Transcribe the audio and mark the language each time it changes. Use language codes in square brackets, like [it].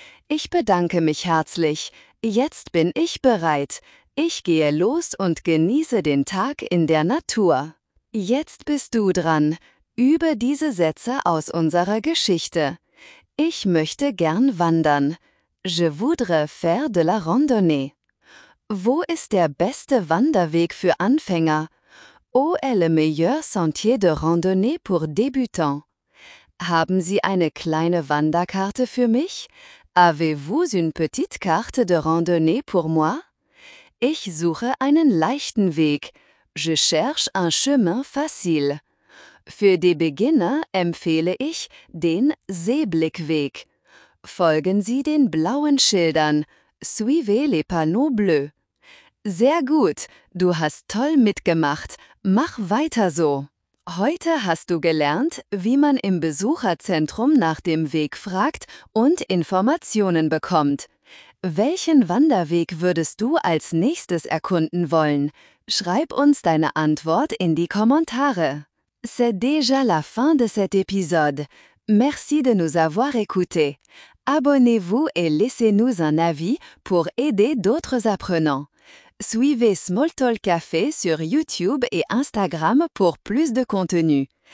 [de] Ich bedanke mich herzlich. Jetzt bin ich bereit. Ich gehe los und genieße den Tag in der Natur. Jetzt bist du dran. Übe diese Sätze aus unserer Geschichte. Ich möchte gern wandern. [fr] Je voudrais faire de la randonnée. [de] Wo ist der beste Wanderweg für Anfänger? [fr] Où est le meilleur sentier de randonnée pour débutants? [de] Haben Sie eine kleine Wanderkarte für mich? [fr] Avez-vous une petite carte de randonnée pour moi? [de] Ich suche einen leichten Weg. [fr] Je cherche un chemin facile. [de] Für die Beginner empfehle ich den Seeblickweg. Folgen Sie den blauen Schildern. [fr] Suivez les panneaux bleus. [de] Sehr gut, du hast toll mitgemacht. Mach weiter so. Heute hast du gelernt, wie man im Besucherzentrum nach dem Weg fragt und Informationen bekommt. Welchen Wanderweg würdest du als nächstes erkunden wollen? Schreib uns deine Antwort in die Kommentare. [fr] C'est déjà la fin de cet épisode. Merci de nous avoir écoutés. Abonnez-vous et laissez-nous un avis pour aider d'autres apprenants. Suivez Smalltalk Café sur YouTube et Instagram pour plus de contenu.